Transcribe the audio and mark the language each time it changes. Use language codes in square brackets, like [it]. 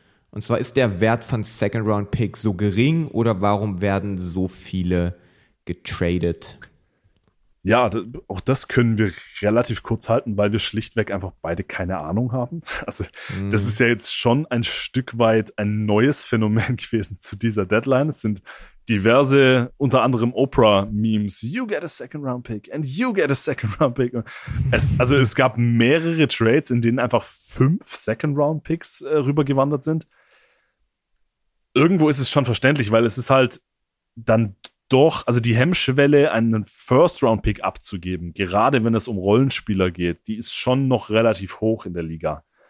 [de] Und zwar, ist der Wert von Second-Round-Picks so gering oder warum werden so viele getradet? Ja, auch das können wir relativ kurz halten, weil wir schlichtweg einfach beide keine Ahnung haben. Also das ist ja jetzt schon ein Stück weit ein neues Phänomen gewesen zu dieser Deadline. Es sind diverse, unter anderem Oprah-Memes. [en] You get a Second-Round-Pick and you get a Second-Round-Pick. [de] Es gab mehrere Trades, in denen einfach 5 Second-Round-Picks rübergewandert sind. Irgendwo ist es schon verständlich, weil es ist halt dann doch, also die Hemmschwelle, einen First-Round-Pick abzugeben, gerade wenn es um Rollenspieler geht, die ist schon noch relativ hoch in der Liga.